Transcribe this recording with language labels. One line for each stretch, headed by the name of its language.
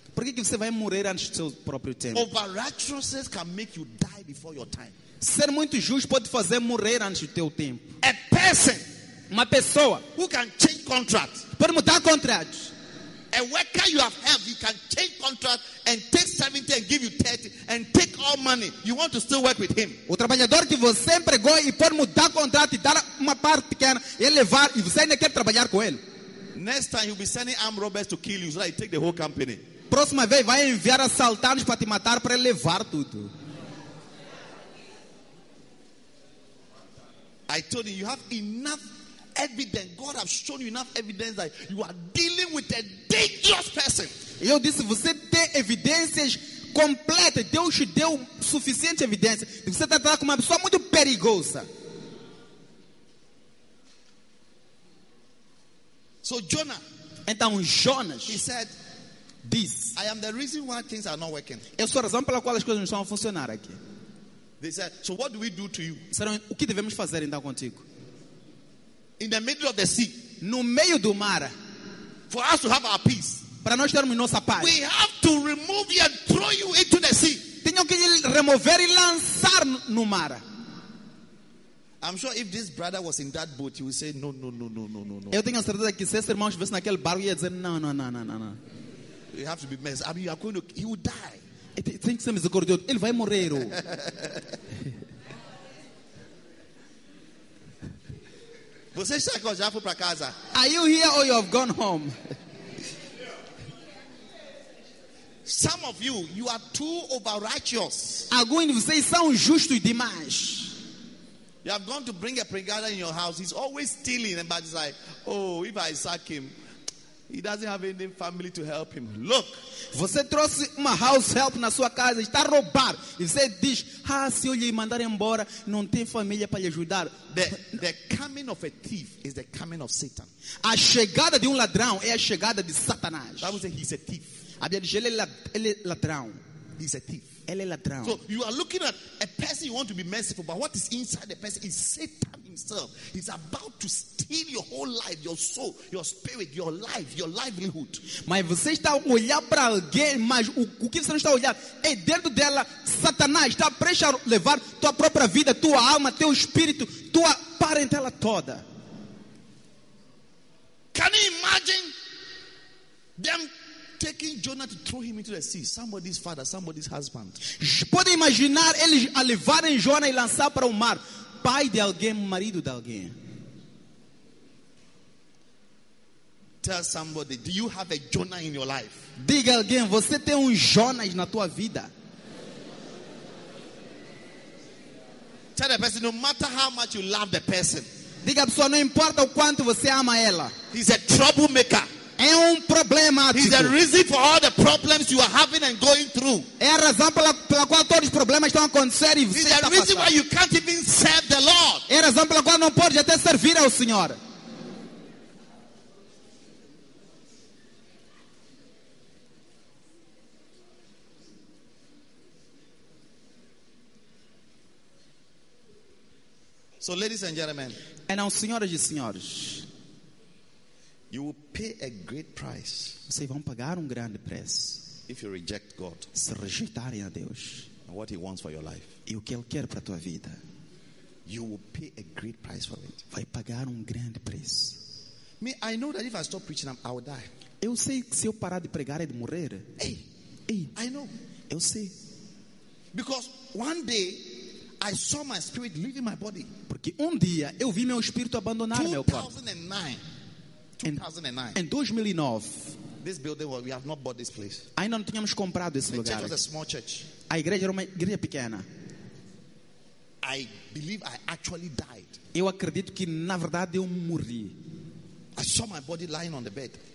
Portuguese: Por que você vai morrer antes do seu próprio tempo?
English: Over-righteousness can make you die before your time.
Portuguese: Ser muito justo pode fazer morrer antes do teu tempo.
English: A person,
Portuguese: uma pessoa,
English: who can change contracts,
Portuguese: pode mudar contratos.
English: A worker you have helped, you can change contract and take 70 and give you 30 and take all money. You want to still work with him?
Portuguese: O trabalhador que você empregou e pode mudar contrato e dar uma parte pequena e levar e você ainda quer trabalhar com ele?
English: Next time he'll be sending armed robbers to kill you so that he take the whole company.
Portuguese: Próxima vez vai enviar assaltantes para te matar para levar tudo.
English: I told you have enough evidence. God has shown you enough evidence that you are dealing with a dangerous person.
Portuguese: Eu disse, você tem evidências completas. Deus te deu suficiente evidência. Você está tratando com uma pessoa muito perigosa.
English: So Jonah.
Portuguese: Então Jonas.
English: He said, this. I am the reason why things are not working.
Portuguese: Eu sou a razão pela qual as coisas não estão a funcionar aqui.
English: They said, so what do we do to you?
Portuguese: Serão, o que devemos fazer então contigo?
English: In the middle of the sea,
Portuguese: no meio do mar,
English: for us to have our peace,
Portuguese: para nós termos nossa paz,
English: we have to remove you and throw you into the sea.
Portuguese: Tenho que lhe remover e lançar no mar.
English: I'm sure if this brother was in that boat, he would say, no.
Portuguese: Eu tenho certeza que se esse irmão estivesse naquele barco, ele ia dizer, não.
English: You have to be messed. I mean, you are going to, he will die. Think same as the cordial.
Portuguese: Ele vai morrer. Você está com já foi para casa?
English: Are you here or you have gone home? Some of you are too over righteous.
Portuguese: Alguns de vocês são justos demais.
English: You have gone to bring a pregada in your house. He's always stealing, and but it's like, oh, if I sack him, he doesn't have any family to help him. Look,
Portuguese: você trouxe uma house help na sua casa, está a roubar. E você diz, ah, se eu lhe mandar embora, não tem família para lhe ajudar.
English: The coming of a thief is the coming of Satan.
Portuguese: A chegada de ladrão é a chegada de Satanás.
English: Bible says he's a thief.
Portuguese: A Bíblia diz ele é ladrão.
English: he's a thief.
Portuguese: Ele é ladrão.
English: So you are looking at a person you want to be merciful, but what is inside the person is Satan himself. He's about to steal your whole life, your soul, your spirit, your life, your livelihood.
Portuguese: Mas você está a olhar para alguém, mas o que você não está a olhar é dentro dela. Satanás está prestes a levar tua própria vida, tua alma, teu espírito, tua parentela toda.
English: Can you imagine them taking Jonah to throw him into the sea? Somebody's father, somebody's husband.
Portuguese: Pode imaginar eles a levarem Jonah e lançar para o mar, pai de alguém, marido de alguém.
English: Tell somebody, do you have a Jonah in your life?
Portuguese: Diga alguém, você tem Jonas na tua vida?
English: Tell the person, no matter how much you love the person.
Portuguese: Diga a pessoa, não importa o quanto você ama ela.
English: He's a troublemaker.
Portuguese: É problema.
English: He's the reason for all the problems you are having and going through.
Portuguese: É a razão pela qual todos os problemas estão acontecendo.
English: He's the reason why you can't even serve the Lord.
Portuguese: É a razão pela qual não pode até servir ao Senhor.
English: So, ladies and gentlemen.
Portuguese: E não, senhoras e senhores.
English: You will pay a great price.
Portuguese: Vocês vão pagar grande preço.
English: If you reject God.
Portuguese: Se rejeitarem a Deus.
English: And what he wants for your life.
Portuguese: E o que ele quer para tua vida.
English: You will pay a great price for it.
Portuguese: Vai pagar grande preço.
English: Me, I know that if I stop preaching, I will die.
Portuguese: Eu sei que se eu parar de pregar é de morrer.
English: Hey, I know.
Portuguese: Eu sei.
English: Because one day I saw my spirit leaving my body.
Portuguese: Porque dia eu vi meu espírito abandonar meu corpo.
English: 2009.
Portuguese: Em 2009,
English: this building, we have not bought this place.
Portuguese: Ainda não tínhamos comprado esse lugar.
English: Was a small church.
Portuguese: A igreja era uma igreja pequena.
English: I believe I actually died.
Portuguese: Eu acredito que na verdade eu morri.
English: I saw my body lying on the bed.